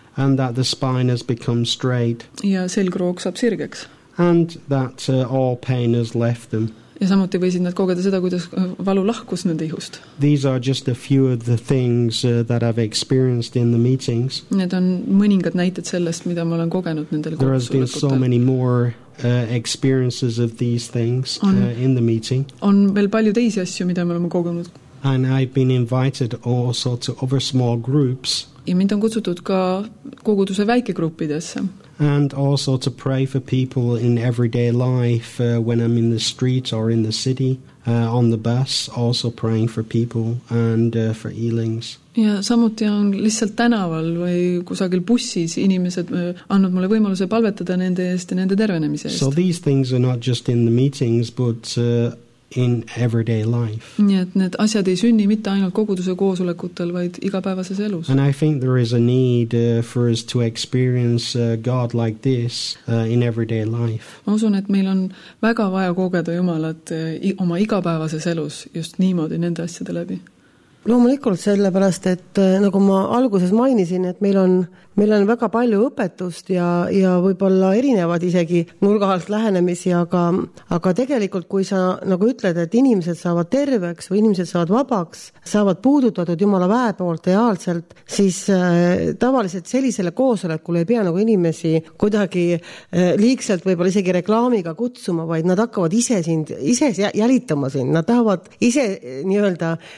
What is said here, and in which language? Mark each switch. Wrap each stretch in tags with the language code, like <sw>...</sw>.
<en>And that the spine has become straight.</en> <et>Ja selgroog saab sirgeks.</et> <en>And that all pain has left them.</en> <et>Ja samuti võisid nad kogeda seda, kuidas valu lahkus nende ihust.</et> <en>These are just a few of the things that I've experienced in the meetings.</en> <et>Need on mõningad näited sellest, mida ma olen kogenud nendel kutsulikult.</et> <en>There has been so many more experiences of these things in the meeting.</en> <et>On veel palju teisi asju, mida me oleme kogenud.</et> <en>And I've been invited also to other small groups.</en> <et>Ja mind on kutsutud ka koguduse väikegruppidesse.</et> <en>And also to pray for people in everyday life when I'm in the street or in the city on the bus, also praying for people and for healings.</en> <et>Ja samuti on lihtsalt tänaval või kusagil bussis inimesed annud mulle võimaluse palvetada nende eest ja nende tervenemise eest.</et> <en>So these things are not just in the meetings, but in everyday life.</en> <et>Nii et need asjad ei sünni mitte ainult koguduse koosolekutel, vaid igapäevases elus.</et> <en>And I think there is a need for us to experience God like this in everyday life.</en> <et>Ma usun, et meil on väga vaja kogeda Jumalat oma igapäevases elus just niimoodi nende asjade läbi. Loomulikult sellepärast, et nagu ma alguses mainisin, et meil on väga palju õpetust ja võibolla erinevad isegi nurgahalt lähenemisi, aga tegelikult kui sa nagu ütled, et inimesed saavad terveks või inimesed saavad vabaks, saavad puudutatud Jumala väe poolt reaalselt, siis tavaliselt sellisele koosolekule ei pea nagu inimesi kuidagi liikselt võibolla isegi reklaamiga kutsuma, vaid nad hakkavad ise sind, ise jälitama sind, nad tahavad ise nii-öelda</et>